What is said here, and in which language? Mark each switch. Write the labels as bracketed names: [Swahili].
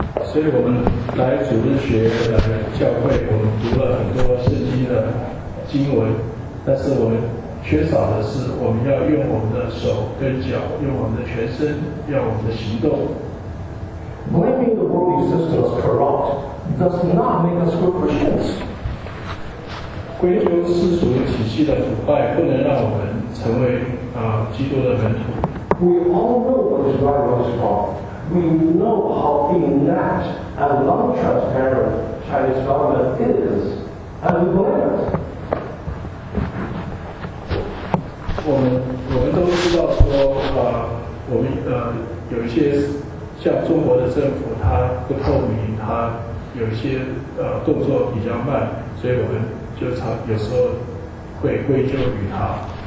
[Chinese] 所以我们来主日学来教会，我们读了很多圣经的经文，但是我们缺少的是我们要用我们的手跟脚，用我们的全身，用我们的行动。 [English] Blaming the worldly system as corrupt does not make us good Christians. [Chinese] 归咎世俗体系的腐败不能让我们成为基督的门徒。 [English] We all know what is right and what is wrong. We know how inept and non-transparent Chinese government is, and we blame it. [Chinese] 我们都知道说，我们有一些像中国的政府，它不透明，它有一些动作比较慢，所以我们就常有时候会归咎于它。